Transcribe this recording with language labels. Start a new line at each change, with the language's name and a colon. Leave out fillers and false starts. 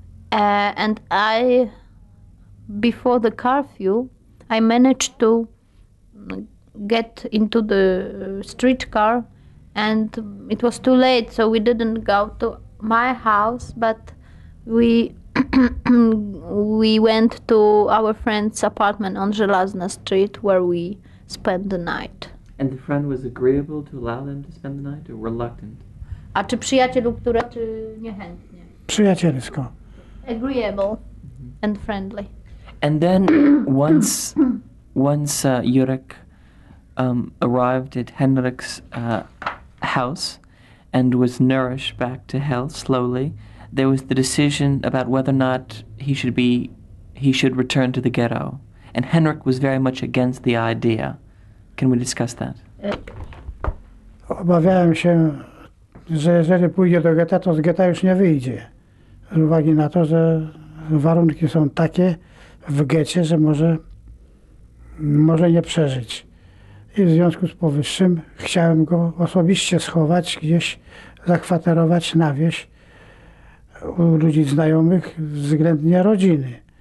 English: And I, before the curfew, I managed to get into the streetcar, and it was too late, so we didn't go to my house, but we went to our friend's apartment on Żelazna Street, where we spent the night. And the friend was agreeable to allow them to spend the night, or reluctant?
Polish: A czy przyjaciel, który, czy niechętnie? Przyjacielsko.
English: Agreeable mm-hmm. and friendly. And then once Jurek arrived at Henrik's house and was nourished back to health slowly, there was the decision about whether or not he should return to the ghetto. And Henrik was very much against the idea. Can we discuss that?
Polish: Obawiałem się, że jeżeli pójdzie do getta, to z getta już nie wyjdzie. Z uwagi na to, że warunki są takie w getcie, że może nie przeżyć. I w związku z powyższym chciałem go osobiście schować, gdzieś zakwaterować na wieś u ludzi znajomych, względnie rodziny.